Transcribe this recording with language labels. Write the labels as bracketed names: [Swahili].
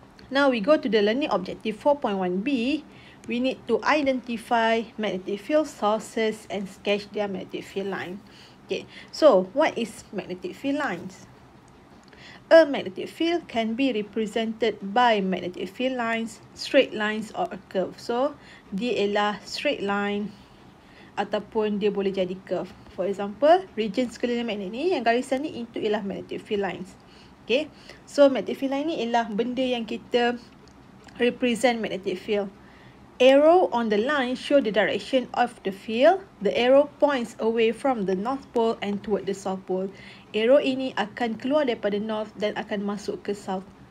[English] Now, we go to the learning objective 4.1b. We need to identify magnetic field sources and sketch their magnetic field line. Okay. So, what is magnetic field lines? A magnetic field can be represented by magnetic field lines, straight lines or a curve. [Malay] So, dia ialah straight line ataupun dia boleh jadi curve. For example, region sekeliling magnet ni, yang garisan ni, itu ialah magnetic field lines. Okay, so magnetic field line ni ialah benda yang kita represent magnetic field. [English] Arrow on the line show the direction of the field. The arrow points away from the north pole and toward the south pole. [Malay] Arrow ini akan keluar daripada north dan akan masuk ke south.